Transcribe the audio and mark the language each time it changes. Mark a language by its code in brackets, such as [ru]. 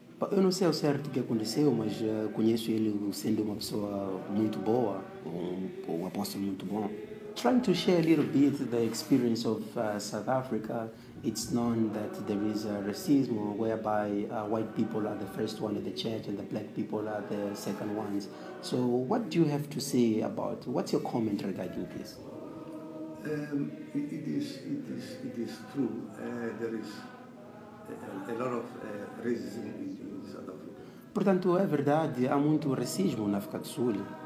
[pt] Eu não sei ao certo o que aconteceu, mas conheço ele sendo uma pessoa muito boa, um apóstolo muito bom. [en] Trying to share a little bit the experience of South Africa. It's known that there is a racism whereby white people are the first one in the church and the black people are the second ones. So what do you have to say about, what's your comment regarding this? It is true. There is a lot of racism in South Africa. [pt] Portanto, é verdade, há muito racismo na África do Sul.